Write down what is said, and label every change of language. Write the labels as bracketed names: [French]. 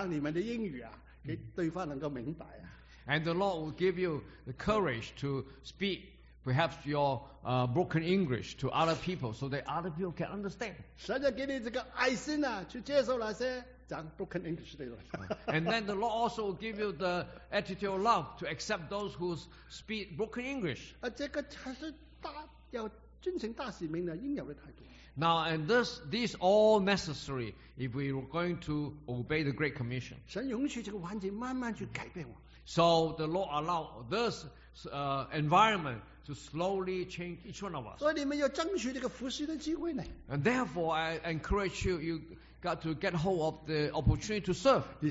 [Chinese] 神就给勇气啊，你们讲你们的英语啊，给对方能够明白啊。 [English] And the Lord will give you the courage to speak. Perhaps your broken English to other people so that other people can understand. [Chinese] 神就给你这个爱心啊，去接受那些讲 [English] broken English [Chinese] 的人。 [English] And then the Lord also will give you the attitude of love to accept those who speak broken English. [Chinese] 这个才是要遵循大使命的应有的态度。 [English] Now, and this all necessary if we were going to obey the Great Commission. [Chinese] 神允许这个环境慢慢去改变我。 [English] So the Lord allowed this environment to slowly change each one of us. [Chinese] 所以你们要争取这个服事的机会呢? [English] And therefore, I encourage you, you got to get hold of the opportunity to serve.